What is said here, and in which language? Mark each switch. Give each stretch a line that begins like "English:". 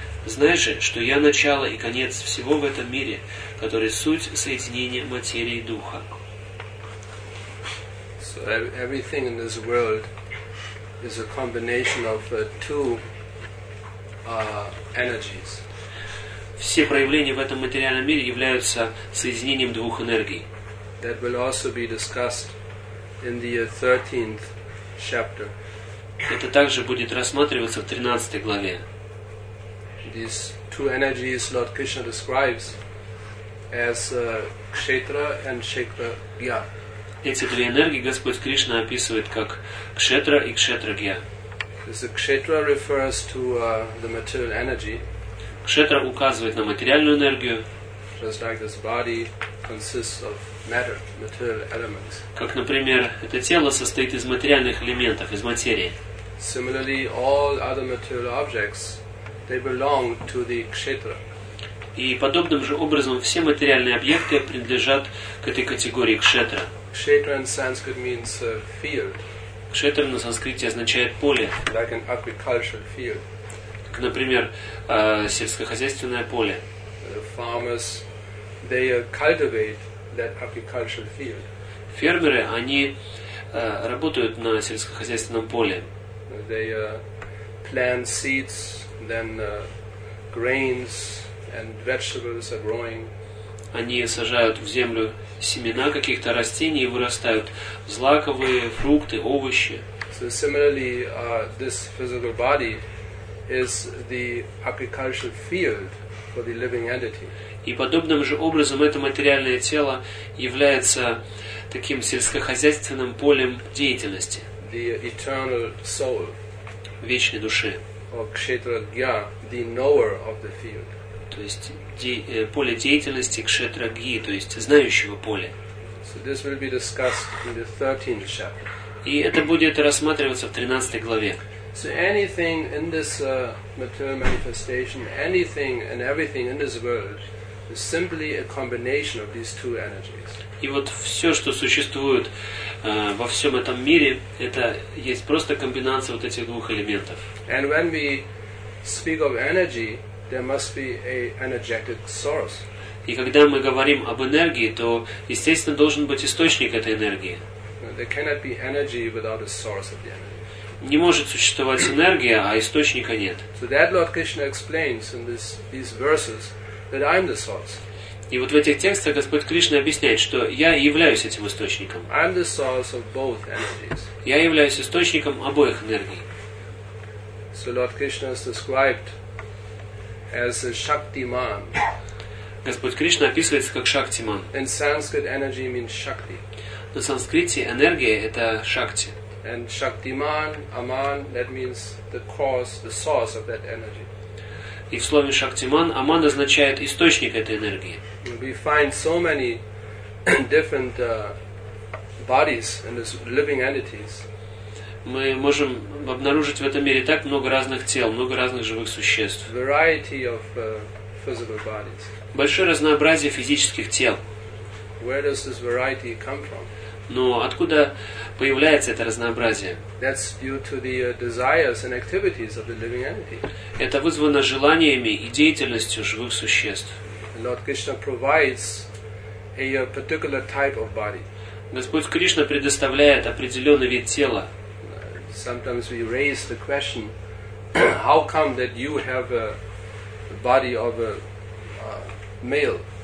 Russian: Знай же, что я начало и конец всего в этом мире, который суть соединения материи и духа.
English: So everything in this world is a combination of two energies.
Russian: Все проявления в этом материальном мире являются соединением двух энергий.
English: That will also be discussed in the 13th chapter.
Russian: Это также будет рассматриваться в 13 главе.
English: These two energies Lord Krishna describes as Kshetra and Kshetragya.
Russian: Эти две энергии Господь Кришна описывает как Кшетра и Кшетрагья.
English: Кшетра refers to the material energy.
Russian: Кшетра указывает на материальную энергию.
English: Just like this body consists of matter, material elements.
Russian: Как, например, это тело состоит из материальных элементов, из материи.
English: Similarly, all other material objects, they belong to the Кшетра.
Russian: И подобным же образом все материальные объекты принадлежат к этой категории Кшетра.
English: Kshetra in Sanskrit means field.
Russian: Kshetra на санскрите означает поле.
English: Like an agricultural field.
Russian: Как, например, сельскохозяйственное поле.
English: The farmers, they cultivate that agricultural field.
Russian: Фермеры, они работают на сельскохозяйственном поле.
English: They plant seeds, then grains and vegetables are growing.
Russian: Они сажают в землю семена каких-то растений и вырастают злаковые фрукты, овощи.
English: So similarly, this physical body is the agricultural field for the living entity.
Russian: И подобным же образом это материальное тело является таким сельскохозяйственным полем деятельности.
English: The eternal soul.
Russian: Вечной души.
English: Or Kshetragya, the knower of the field.
Russian: То есть поле деятельности кшетраги, то есть знающего поле.
English: So this will be discussed in the 13th chapter.
Russian: И это будет рассматриваться в 13 главе.
English: So anything in this material manifestation, anything and everything in this world is simply a combination of these two energies.
Russian: И вот все, что существует во всем этом мире, это есть просто комбинация вот этих двух элементов.
English: And when we speak of energy, there must be an energetic source.
Russian: И когда мы говорим об энергии, то, естественно, должен быть источник этой энергии.
English: There cannot be energy without a source of the energy.
Russian: Не может существовать энергия, а источника нет.
English: So that Lord Krishna explains in these verses that I'm the source.
Russian: И вот в этих текстах Господь Кришна объясняет, что я являюсь этим источником.
English: I'm the source of both energies.
Russian: Я являюсь источником обоих энергий.
English: So Lord Krishna is described as a Shaktiman.
Russian: Господь Кришна описывается как Шактиман.
English: In Sanskrit, energy means Shakti.
Russian: На санскрите энергия – это Шакти.
English: And Shaktiman, Aman, that means the cause, the source of that energy.
Russian: И в слове Шактиман Аман означает источник этой энергии.
English: We find so many different bodies in this living entities.
Russian: Мы можем обнаружить в этом мире так много разных тел, много разных живых существ.
English: Variety of physical bodies.
Russian: Большое разнообразие физических тел.
English: Where does this variety come from?
Russian: Но откуда появляется это разнообразие?
English: That's due to the desires and activities of the living entity.
Russian: Это вызвано желаниями и деятельностью живых существ.
English: Lord Krishna provides a particular type of body.
Russian: Господь Кришна предоставляет определенный вид тела.
English: Sometimes we raise the question, how come that you have a body of a male?